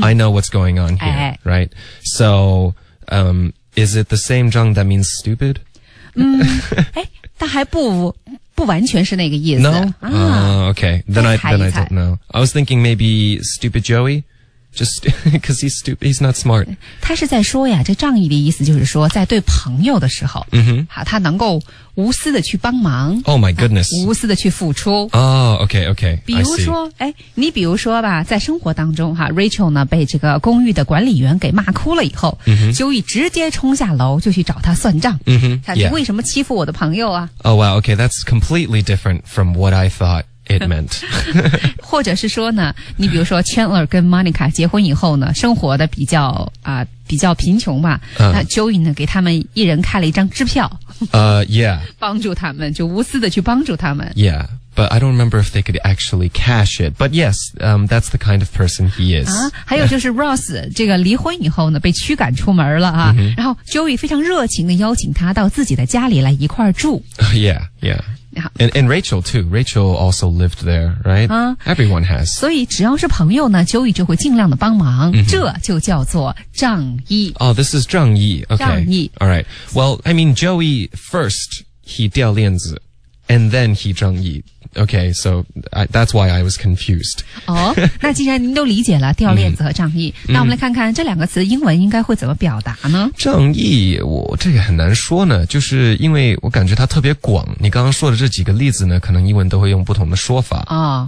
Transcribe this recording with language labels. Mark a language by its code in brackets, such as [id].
[en] I know what's going on here, 哎哎 right? So, is it the same 仗 that means stupid? [zh] 嗯，哎，但还不完全是那个意思。 [en] No? Okay. Then I don't know. I was thinking maybe stupid Joey? Just, cause he's stupid, he's not smart. [zh] 他是在说呀，这仗义的意思就是说，在对朋友的时候， mm-hmm. 他能够无私的去帮忙。 [en] Oh my goodness. [zh] 无私的去付出。 [en] Oh, okay, okay. [zh] 比如说，哎，你比如说吧，在生活当中哈 ,Rachel 呢被这个公寓的管理员给骂哭了以后，嗯哼。Joey 直接冲下楼就去找他算账。嗯哼。他说，为什么欺负我的朋友啊？ [en] Oh wow, okay, that's completely different from what I thought it meant. [zh] 或者是说呢，你比如说 Chandler 跟 Monica 结婚以后呢，生活的比较贫穷嘛，那 Joey 呢给他们一人开了一张支票。 Yeah. 帮助他们，就无私的去帮助他们。 [en] Yeah, but I don't remember if they could actually cash it. But yes, that's the kind of person he is. [zh] 啊，还有就是 Ross 这个离婚以后呢，被驱赶出门了啊。 Mm-hmm. 然后 Joey 非常热情的邀请他到自己的家里来一块住。 [en] Yeah, yeah. And Rachel too. Rachel also lived there, right? Everyone has. [zh] 所以只要是朋友呢， Joey 就会尽量的帮忙。 Mm-hmm. 这就叫做仗义。 [en] Oh, this is 仗义.Okay. [zh] 仗义. [en] All right. Well, I mean, Joey first, he 掉链子, and then he 仗义. Okay, so that's why I was confused. [zh] 哦，那既然您都理解了掉链子和仗义，那我们来看看这两个词英文应该会怎么表达呢？仗义，我这个很难说呢，就是因为我感觉它特别广。你刚刚说的这几个例子呢，可能英文都会用不同的说法。哦